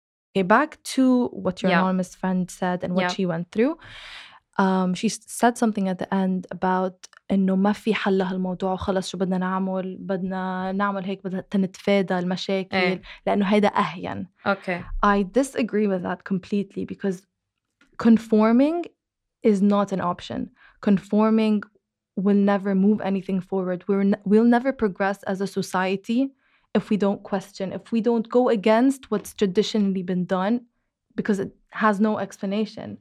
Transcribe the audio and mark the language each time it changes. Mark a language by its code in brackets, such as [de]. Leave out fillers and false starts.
[en] Okay, back to what your anonymous friend said and what she went through. She said something at the end about [ar] إنه ما في حل لهالموضوع خلص شو بدنا نعمل بدنا نعمل هيك بدنا تنتفادى المشاكل لأنه هيدا أهين. [en] Okay. I disagree with that completely because conforming is not an option. Conforming will never move anything forward. We'll never progress as a society if we don't question, if we don't go against what's traditionally been done, because it has no explanation.